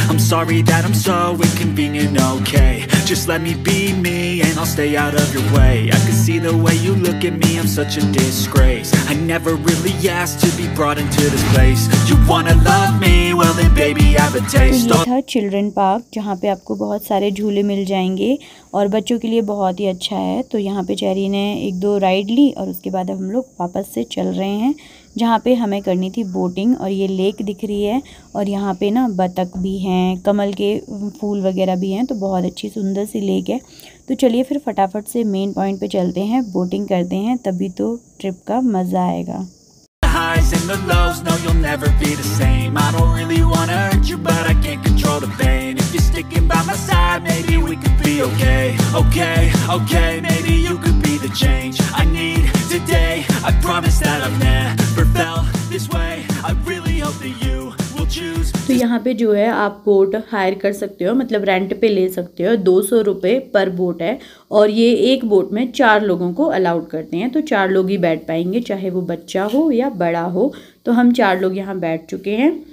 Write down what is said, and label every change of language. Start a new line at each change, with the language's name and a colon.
English: I'm sorry that I'm so inconvenient, okay. Just let me be me and I'll stay out of your way. I can see the way you look at me, I'm such a disgrace. I never really asked to be brought into this place. You wanna love me, well then baby I have a taste. Yeah, children park.
Hindi: यहाँ पे आपको बहुत सारे झूले मिल जाएंगे और बच्चों के लिए बहुत ही अच्छा है। तो यहाँ पे चेरी ने एक दो राइड ली और उसके बाद हम लोग वापस से चल रहे हैं जहाँ पे हमें करनी थी बोटिंग। और ये लेक दिख रही है, और यहाँ पे ना बतख भी हैं, कमल के फूल वगैरह भी हैं, तो बहुत अच्छी सुंदर सी लेक है। तो चलिए फिर फटाफट से मेन पॉइंट पर चलते हैं, बोटिंग करते हैं, तभी तो ट्रिप का मज़ा आएगा।
English: And the lows, no, you'll never be the same. I don't really wanna hurt you, but I can't control the pain. If you're sticking by my side, maybe we could be okay. Okay, okay, maybe you could be the change I need today. I promise that I've never felt this way. I really hope that you.
Hindi: तो यहाँ पे जो है आप boat higher कर सकते हो, मतलब रेंट पे ले सकते हो, 200 रुपये पर बोट है, और ये एक बोट में 4 लोगों को अलाउड करते हैं, तो 4 लोग ही बैठ पाएंगे, चाहे वो बच्चा हो या बड़ा हो। तो हम 4 लोग यहाँ बैठ चुके हैं।